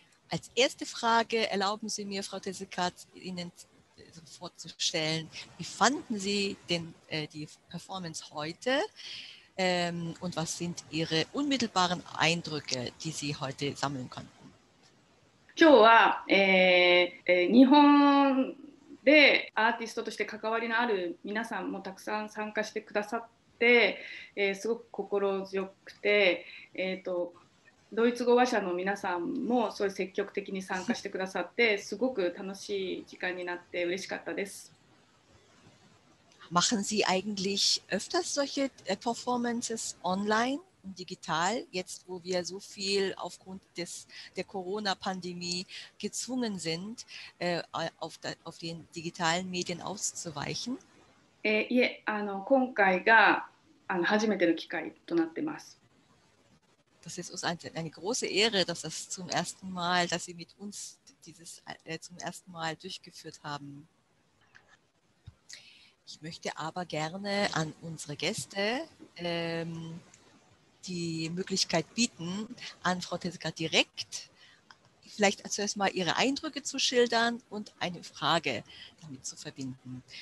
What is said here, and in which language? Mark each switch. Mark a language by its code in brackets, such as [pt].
[de] Als erste Frage erlauben Sie mir, Frau Tezuka, Ihnen vorzustellen, wie fanden Sie die Performance heute und was sind Ihre unmittelbaren Eindrücke, die Sie heute sammeln konnten? [ja] 今日は、日本でアーティストとして関わりのある皆さんもたくさん参加してくださって、すごく心強くて、ドイツ語話者の皆さんもそういう積極的に参加してくださってすごく楽しい時間になって嬉しかったです。 [de] Machen Sie eigentlich öfters solche Performances online und digital, jetzt wo wir so viel aufgrund der Corona-Pandemie gezwungen sind, auf den digitalen Medien auszuweichen? [ja] いえ、今回が初めての機会となってます。 [de] Das ist uns eine große Ehre, dass das zum ersten Mal, dass Sie mit uns dieses zum ersten Mal durchgeführt haben. Ich möchte aber gerne an unsere Gäste die Möglichkeit bieten, an Frau Tezuka direkt vielleicht zuerst mal ihre Eindrücke zu schildern und eine Frage damit zu verbinden.